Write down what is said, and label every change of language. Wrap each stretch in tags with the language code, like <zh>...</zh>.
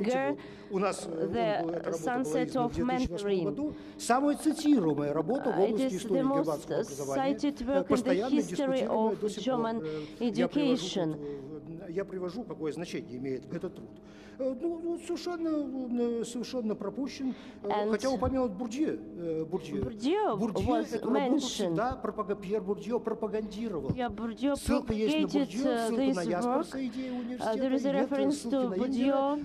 <ru>1890-1930 год». У нас эта работа была в 2008 году. Самая цитируемая работа в области истории германского образования.</ru> <en>Cited work in the history of German education.</en> <ru>Я привожу, какое значение имеет этот труд. Ну, совершенно пропущен. Хотя упомянут Бурдье</ru> <en>was mentioned.</en> <ru>Пьер Бурдье пропагандировал. Ссылка есть на Бурдье, ссылка на Ясперса, идея университета, нет ссылки на Ингера.</ru>